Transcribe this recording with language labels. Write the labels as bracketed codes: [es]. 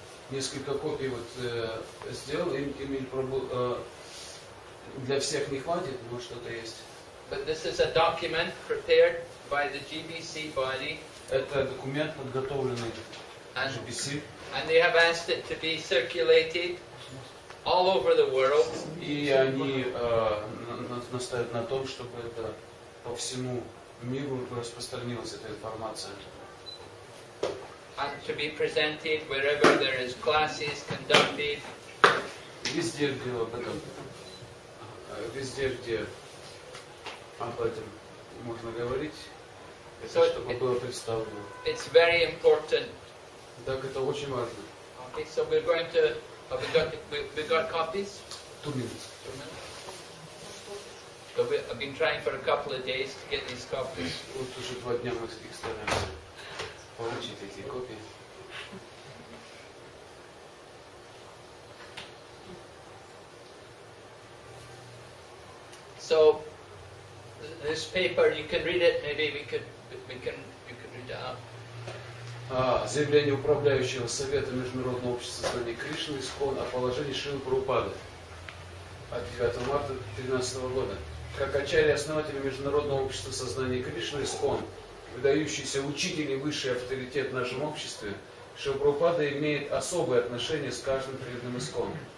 [ru] Несколько копий вот сделал, для всех не хватит, но что-то есть. [en] But this is a document prepared by the GBC body. [ru] Это документ, подготовленный GBC. [en] And they have asked it to be circulated all over the world. [ru] И они настаивают на том, чтобы это по всему миру распространилась эта информация. [en] And to be presented wherever there is classes conducted. [ru] Везде, где об этом, везде, где об этом можно говорить, это, чтобы было представлено. [en] It's very important. [ru] Так, это очень важно. [en] Okay, so we're going to, we got copies? 2 minutes. So we, I've been trying for a couple of days to get these copies. [ru] Вот уже 2 дня мы их стараемся получить эти копии. [en] So, this paper, you can read it, maybe we can read it out. [ru] Заявление управляющего Совета Международного общества знаний Кришны ИСККОН о положении Шрилы Прабхупады от 9 марта 2013 года. Как ачарья основателя Международного общества сознания Кришны ИСККОН, выдающийся учитель и высший авторитет в нашем обществе, Шрила Прабхупада имеет особое отношение с каждым преданным ИСККОН.